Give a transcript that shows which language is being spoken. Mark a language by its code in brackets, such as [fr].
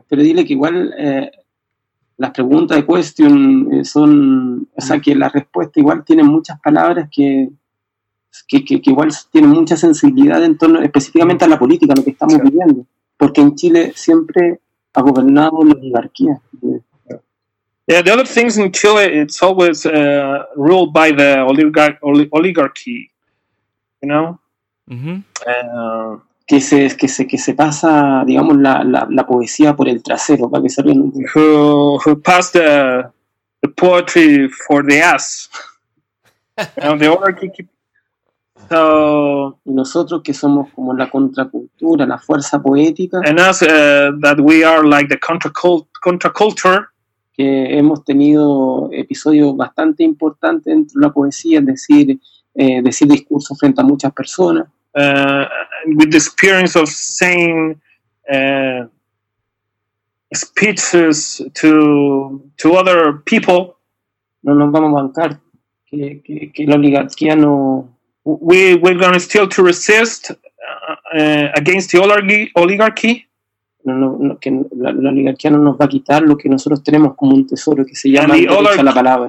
[es] Pero dile que igual las preguntas de question son. O sea, que la respuesta igual tiene muchas palabras que igual tienen mucha sensibilidad en torno específicamente a la política, a lo que estamos viviendo. Porque en Chile siempre ha gobernado la oligarquía. [en] Yeah, the other things in Chile, it's always ruled by the oligarchy, you know. Mm-hmm. [es] Que se pasa, digamos, la poesía por el trasero, para que se vea. [en] Who passed the poetry for the ass? You know, the oligarchy. So. [es] Y nosotros que somos como la contracultura, la fuerza poética. [en] And us that we are like the contraculture. [es] Que hemos tenido episodios bastante importantes dentro de la poesía, es decir discursos frente a muchas personas. [en] with the experience of saying speeches to other people. [es] No nos vamos a bancar que la oligarquía no. [en] We're going to still to resist against the oligarchy. [es] No, que la oligarquía no nos va a quitar lo que nosotros tenemos como un tesoro que se llama el derecho a la palabra.